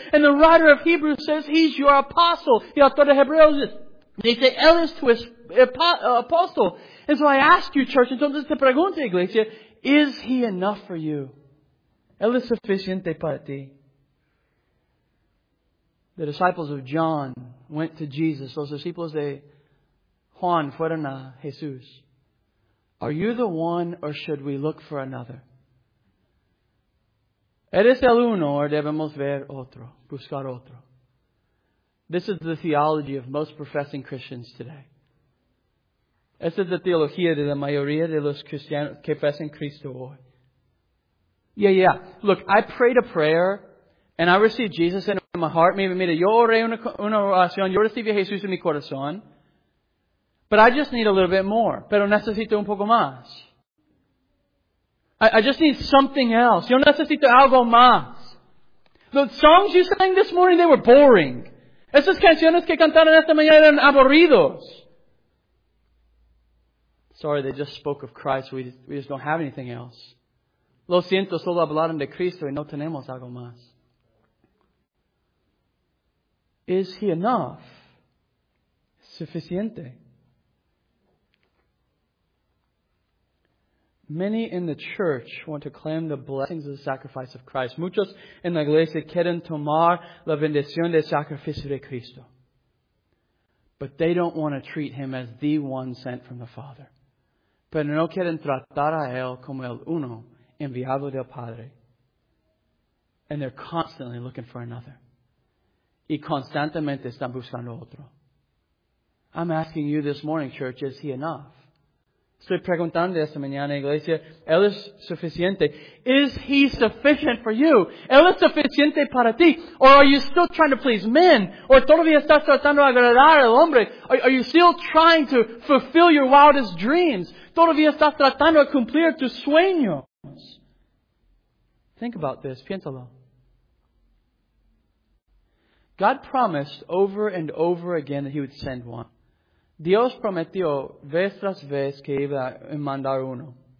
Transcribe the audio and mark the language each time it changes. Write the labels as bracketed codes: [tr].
[en] And the writer of Hebrews says he's your apostle. [es] Y autor de Hebreos dice, él es tu apóstol. [en] And so I ask you, church, [es] entonces te pregunto, iglesia, [en] is he enough for you? [es] Él es suficiente para ti. [en] The disciples of John went to Jesus. [es] Los discípulos de Juan fueron a Jesús. [en] Are you the one or should we look for another? [es] ¿Eres el uno o debemos ver otro, buscar otro? [en] This is the theology of most professing Christians today. [es] Esta es la teología de la mayoría de los cristianos que profesan Cristo hoy. Yeah. [en] Look, I prayed a prayer and I received Jesus in my heart. [es] Mira, yo oré una oración, yo recibí a Jesús en mi corazón. [en] But I just need a little bit more. [es] Pero necesito un poco más. [en] I just need something else. [es] Yo necesito algo más. [en] The songs you sang this morning, they were boring. [es] Esas canciones que cantaron esta mañana eran aburridos. [en] Sorry, they just spoke of Christ. We just don't have anything else. [es] Lo siento, solo hablaron de Cristo y no tenemos algo más. [en] Is he enough? Suficiente. Many in the church want to claim the blessings of the sacrifice of Christ. [es] Muchos en la iglesia quieren tomar la bendición del sacrificio de Cristo. [en] But they don't want to treat him as the one sent from the Father. [es] Pero no quieren tratar a él como el uno enviado del Padre. [en] And they're constantly looking for another. [es] Y constantemente están buscando otro. [en] I'm asking you this morning, church, is he enough? [es] Estoy preguntando esta mañana, iglesia, ¿él es suficiente? [en] Is he sufficient for you? [es] ¿Él es suficiente para ti? [en] Or are you still trying to please men? [es] ¿O todavía estás tratando de agradar al hombre? [en] Are you still trying to fulfill your wildest dreams? [es] ¿Todavía estás tratando de cumplir tus sueños? [en] Think about this. [es] Piénsalo. [en] God promised over and over again that he would send one. [es] Dios prometió vez tras vez que iba a mandar uno.